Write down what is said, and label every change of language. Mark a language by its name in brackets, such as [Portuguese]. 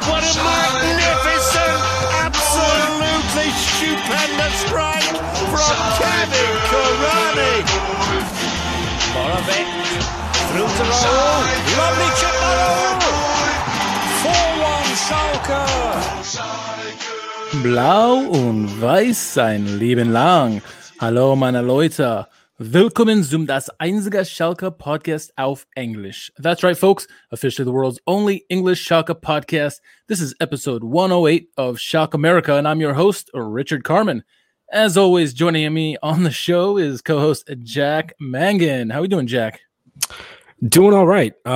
[English] What a magnificent, absolutely stupendous strike from Kevin Karani! Borovic. Through to Raul, lovely chip by Raul, 4-1 Schalke. [German] Blau und Weiß sein Leben lang. Hallo meine Leute. Willkommen zum das einzige Schalke Podcast auf Englisch. [English] That's right, folks. Officially the world's only English Schalke Podcast. This is episode 108 of Schalke America, and I'm your host, Richard Carmen. As always, joining me on the show is co-host Jack Mangan. How are we doing, Jack? Doing all right.